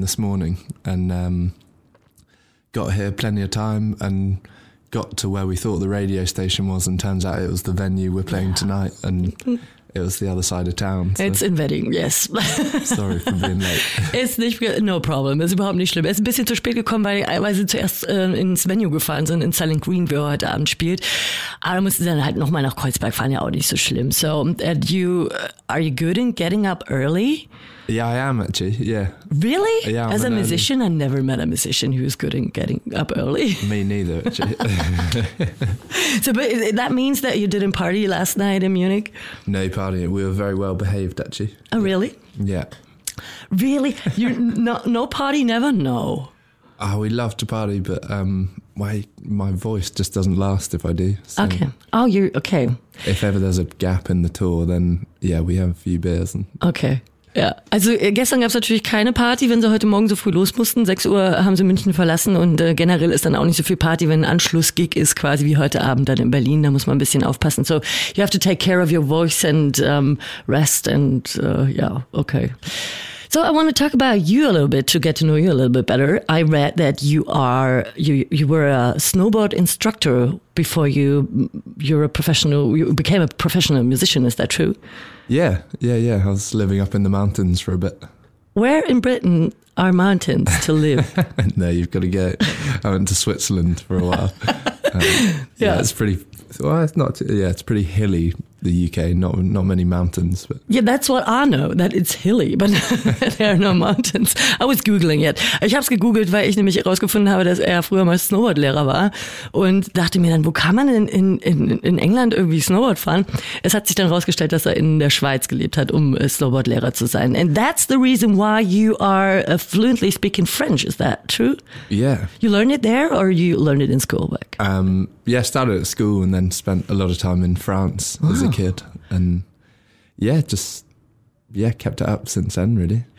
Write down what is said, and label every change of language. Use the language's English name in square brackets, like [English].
[English] this morning and got here plenty of time and got to where we thought the radio station was, and turns out it was the venue we're playing tonight, and it was the other side of town. So. It's in Wedding, yes. Sorry for being late. [German] Ist nicht, [English] no problem, [German] ist überhaupt nicht schlimm. Es ist ein bisschen zu spät gekommen, weil sie zuerst ins Venue gefahren sind, in Silent Green, wo er heute Abend spielt. Aber mussten sie dann halt nochmal nach Kreuzberg fahren, ja auch nicht so schlimm. [English] So, are you good in getting up early? Yeah, I am actually, yeah. Really? Yeah, as a musician, I never met a musician who was good in getting up early. Me neither, actually. So, but that means that you didn't party last night in Munich? No partying. We were very well behaved, actually. Oh, yeah. Really? Yeah. Really? You no party, never? No. Oh, we love to party, but my voice just doesn't last if I do. So. Okay. Oh, you're okay. If ever there's a gap in the tour, then yeah, we have a few beers. And okay. [German] Ja, also gestern gab es natürlich keine Party, wenn sie heute Morgen so früh los mussten. 6 Uhr haben sie München verlassen und generell ist dann auch nicht so viel Party, wenn ein Anschlussgig ist, quasi wie heute Abend dann in Berlin. Da muss man ein bisschen aufpassen. [English] So, you have to take care of your voice and rest and yeah, okay. So, I want to talk about you a little bit to get to know you a little bit better. I read that you were a snowboard instructor before you became a professional musician. Is that true? Yeah, yeah, yeah. I was living up in the mountains for a bit. Where in Britain are mountains to live? No, you've got to go. I went to Switzerland for a while. It's pretty hilly, the UK. Not many mountains. But. Yeah, that's what I know, that it's hilly, but there are no mountains. I was googling it. [German] Ich habe es gegoogelt, weil ich nämlich herausgefunden habe, dass er früher mal Snowboardlehrer war und dachte mir dann, wo kann man in England irgendwie Snowboard fahren? Es hat sich dann herausgestellt, dass er in der Schweiz gelebt hat, um Snowboardlehrer zu sein. [English] And that's the reason why you are fluently speaking French, is that true? Yeah. You learned it there or you learned it in school? Like? Yeah, I started at school and then spent a lot of time in France. Wow. As a kid, and kept it up since then, really.